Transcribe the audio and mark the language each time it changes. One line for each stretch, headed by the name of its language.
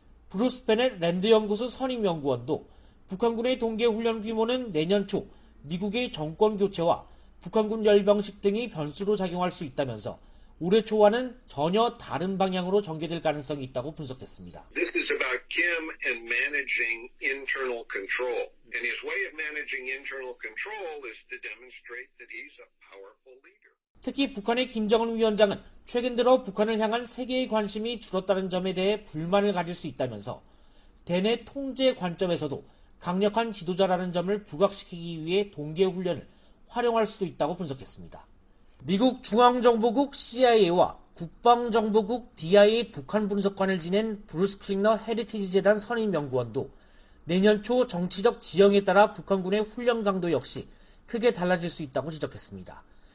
Korean: 브루스 베넷 랜드연구소 선임연구원도 북한군의 동계훈련 규모는 내년 초 미국의 정권교체와 북한군 열병식 등이 변수로 작용할 수 있다면서 올해 초와는 전혀 다른 방향으로 전개될 가능성이 있다고 분석했습니다.
English: This is about Kim and managing internal control. And his way of managing internal control is to demonstrate that he's a powerful leader.
Korean: 특히 북한의 김정은 위원장은 최근 들어 북한을 향한 세계의 관심이 줄었다는 점에 대해 불만을 가질 수 있다면서 대내 통제 관점에서도 강력한 지도자라는 점을 부각시키기 위해 동계훈련을 활용할 수도 있다고 분석했습니다. 미국 중앙정보국 CIA와 국방정보국 DIA 북한분석관을 지낸 브루스 클링너 헤리티지 재단 선임연구원도 내년 초 정치적 지형에 따라 북한군의 훈련 강도 역시 크게 달라질 수 있다고 지적했습니다.